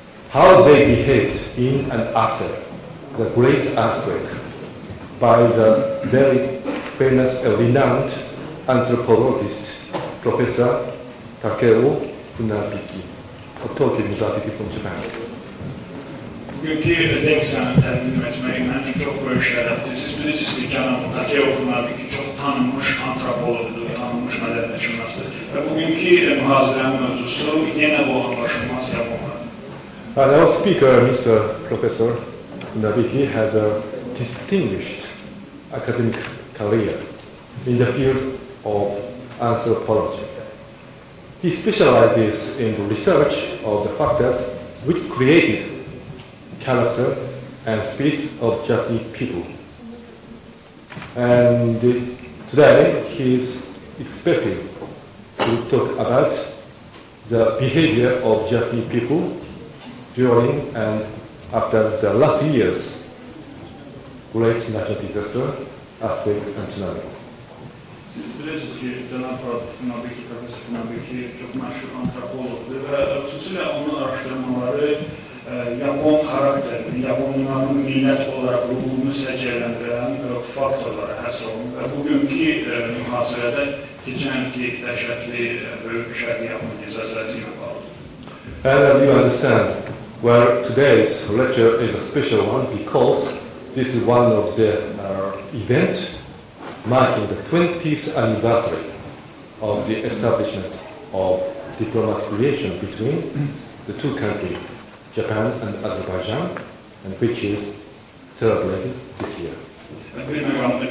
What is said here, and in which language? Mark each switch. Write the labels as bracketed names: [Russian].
[English] How they behaved in and after the great earthquake by the very famous and renowned anthropologist, Professor Takeo Funabiki. Tokio Universitetinin from Japan. [Azerbaijani] Günkü lekciyanın təqdim etməyi mənim üçün çox böyük şərəfdir. Siz bilirsiniz ki, cənab Takeo Funabiki çox tanınmış antropologdur, tanınmış mədəniyyətşünasdır. Və bugünkü mühazirənin mövzusu yenə bu anlaşılmaz Yaponlar. [English] Our speaker, Mr. Professor Funabiki, has a distinguished academic career in the field of anthropology. He specializes in the research of the factors which created character and spirit of Japanese people. And today he is expected to talk about the behavior of Japanese people during and after the last year's great natural disaster, earthquake and tsunami. [Azerbaijani] Siz bilirsiniz ki, cənab Funabiki, professor Funabiki çox məşhur antropologdur və xüsusilə onun araşdırmaları Yapon xarakterini, Yaponların millət olaraq ruhunu səciyyələndirən faktorlara həsr olunur və bugünkü mühasirədə keçən ki, dəhşətli böyük şərqi Yaponiya zəlzələsi ilə bağlıdır. [English] Well, today's lecture is a special one because this is one of the events marking the 20th anniversary of the establishment of diplomatic relations between the two countries, Japan and Azerbaijan, and which is celebrated this year.